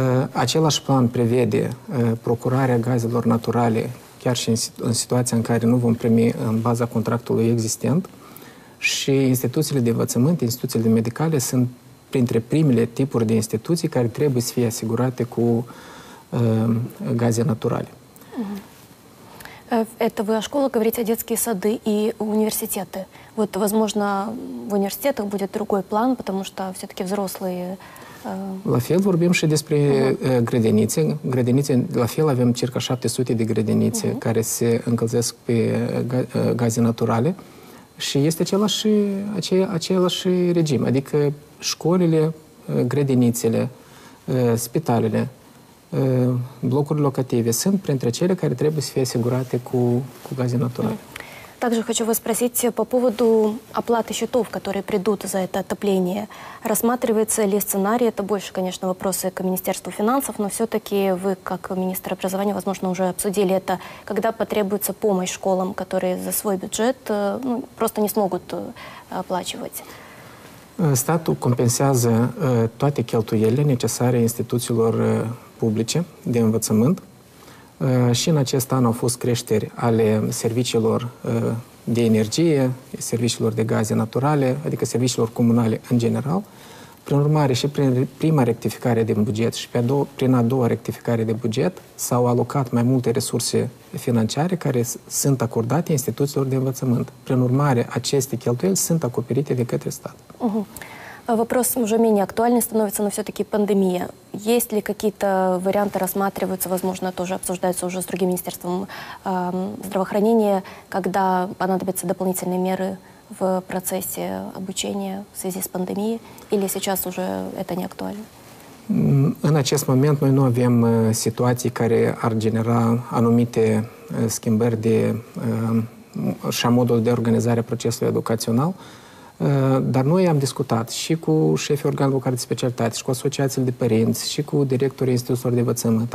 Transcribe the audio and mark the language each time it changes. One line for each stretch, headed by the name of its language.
Romanian: Același plan prevede procurarea gazelor naturale chiar și în situația în care nu vom primi în baza contractului existent. Și instituțiile de învățământ, instituțiile medicale sunt printre primele tipuri de instituții care trebuie să fie asigurate cu gaze naturale.
Russian: Это вы о школах говорите, о детские сады и университеты. Вот, возможно, в университетах будет другой план, потому что все-таки взрослые.
Romanian: La fel vorbim și despre grădinițe. La fel avem circa 700 de grădinițe care se încălzesc pe gaze naturale și este același regim. Adică școlile, grădinițele, spitalele, blocurile locative sunt printre cele care trebuie să fie asigurate cu gaze naturale.
Russian: Также хочу вас спросить по поводу оплаты счетов, которые придут за это отопление. Рассматривается ли сценарий? Это больше, конечно, вопросы к Министерству финансов, но все-таки вы, как министр образования, возможно, уже обсудили это, когда потребуется помощь школам, которые за свой бюджет просто не смогут оплачивать.
Romanian: Statul compensează toate cheltuielile necesare instituțiilor publice de învățământ și în acest an au fost creșteri ale serviciilor de energie, serviciilor de gaze naturale, adică serviciilor comunale în general. Prin urmare și prin prima rectificare din buget și prin a doua rectificare de buget s-au alocat mai multe resurse financiare care sunt acordate instituțiilor de învățământ. Prin urmare, aceste cheltuieli sunt acoperite de către stat.
Russian: Вопрос уже менее актуальный становится, но все-таки пандемия. Есть ли какие-то варианты, рассматриваются, возможно, тоже обсуждаются уже с другим министерством здравоохранения, когда понадобятся дополнительные меры в процессе обучения в связи с пандемией, или сейчас уже это не актуально?
Romanian: În acest moment noi nu avem situații care ar genera anumite schimbări de și modul de organizare a procesului educațional. Dar noi am discutat și cu șefii organelor care de specialitate, și cu asociațiile de părinți, și cu directorii instituțiilor de învățământ.